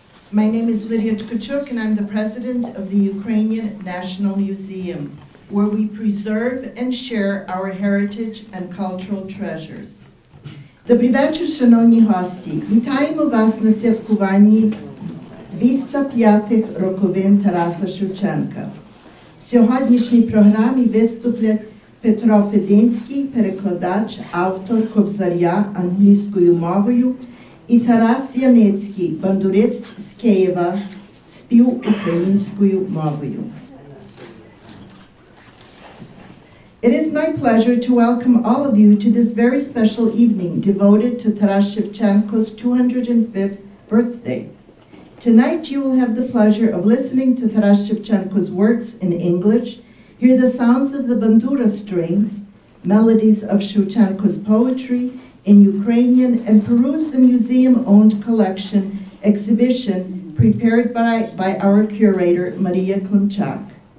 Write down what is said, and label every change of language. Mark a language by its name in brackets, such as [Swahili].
[English] My name is Lydia Tkachuk, and I'm the president of the Ukrainian National Museum, where we preserve and share our heritage and cultural treasures. [Ukrainian] Добрий вечір, шановні гості. Вітаємо вас на святкуванні 205-х роковин Тараса Шевченка. В сьогоднішній програмі виступлять Петро Фединський, перекладач, автор Кобзаря англійською мовою, і Тарас Яницький, бандурист з Києва, спів українською мовою. [English] It is my pleasure to welcome all of you to this very special evening devoted to Taras Shevchenko's 205th birthday. Tonight you will have the pleasure of listening to Taras Shevchenko's works in English, hear the sounds of the bandura strings, melodies of Shevchenko's poetry in Ukrainian, and peruse the museum-owned collection exhibition prepared by our curator, Maria Kunchak.